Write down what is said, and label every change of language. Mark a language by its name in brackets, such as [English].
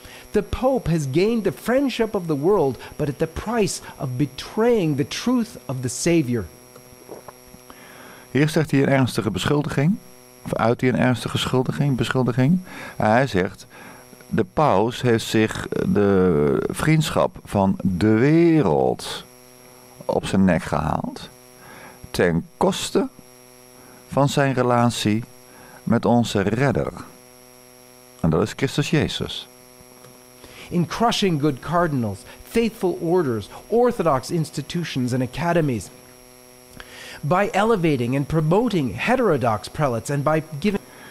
[English] The Pope has gained the friendship of the world, but at the price of betraying the truth of the Savior. [Dutch] Hier zegt hij een ernstige beschuldiging. Of uit hij een ernstige beschuldiging. Hij zegt, de paus heeft zich de vriendschap van de wereld op zijn nek gehaald. Ten koste van zijn relatie met onze redder. En dat is Christus Jezus. [English] In crushing good cardinals, faithful orders, orthodox institutions and academies. By elevating and promoting heterodox prelates and by giving...